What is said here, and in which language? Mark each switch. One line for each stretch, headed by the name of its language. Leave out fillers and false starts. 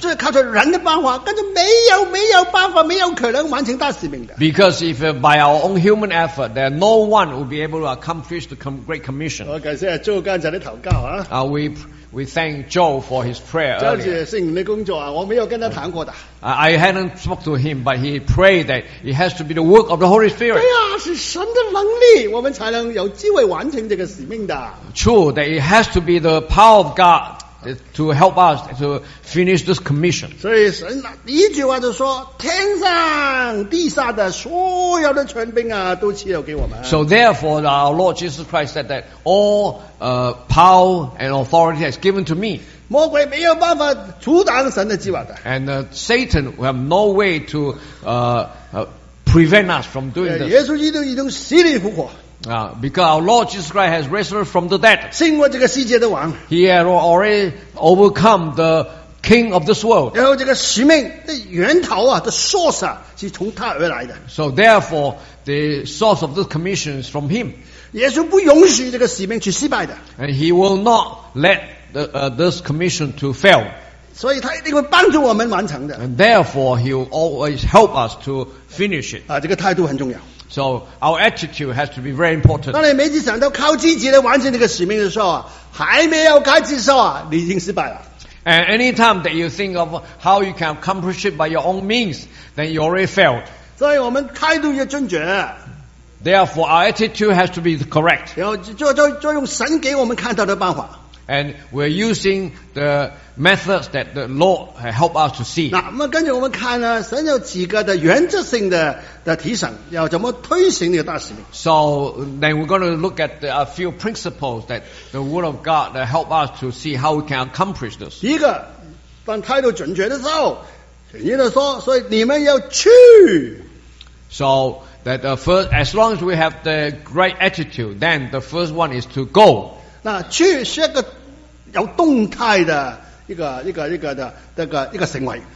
Chinese: 这靠着人的办法，根本没有办法，没有可能完成大使命的。
English: Because if by our own human effort, then no one will be able to accomplish the great commission.
Chinese: 我感谢做刚才的祷告啊。
English: We thank Joe for his prayer.
Chinese: 这是圣灵的工作啊，我没有跟他谈过的。
English: I hadn't spoke to him, but he prayed that it has to be the work of the Holy Spirit.
Chinese: 对呀，是神的能力，我们才能有机会完成这个使命的。
English: True, that it has to be the power of God to help us to finish this commission.
Chinese: 所以神第一句话就说：天上地下的所有的权柄啊，都赐给我们。
English: So therefore, our Lord Jesus Christ said that all power and authority has given to me.
Chinese: 魔鬼没有办法阻挡神的计划的。
English: And Satan will have no way to prevent us from doing this.
Chinese: 耶稣基督已经死里复活。
English: Because our Lord Jesus Christ has risen from the dead.
Chinese: 胜过这个世界的王。
English: He had already overcome the king of this world.
Chinese: 然后这个使命的源头啊 ，
English: the source
Chinese: 啊，是从他而来的。
English: So therefore, the source of this commission is from him.
Chinese: 耶稣不允许这个使命去失败的。
English: And he will not let this commission to fail.
Chinese: 所以他一定会帮助我们完成的。
English: And therefore he will always help us to finish it.
Chinese: 这个态度很重要。
English: So our attitude has to be very important.
Chinese: 当你每次想到靠自己来完成这个使命的时候啊，还没有开始的时候啊，你已经失败了。
English: And anytime that you think of how you can accomplish it by your own means, then you already failed.
Chinese: 所以我们态度要正确。
English: Therefore, our attitude has to be correct.
Chinese: 就用神给我们看到的办法。
English: And we're using the methods that the Lord has helped us to see.
Chinese: 那么跟着我们看呢，神有几个的原则性的提醒，要怎么推行这个大使命。
English: So then we're going to look at a few principles that the Word of God that help us to see how we can accomplish this.
Chinese: 第一个，当态度准确的时候，神就说：“所以你们要去。”
English: So. That first, as long as we have the right attitude, then the first one is to go.
Chinese: 那去是一个有动态的一个行为。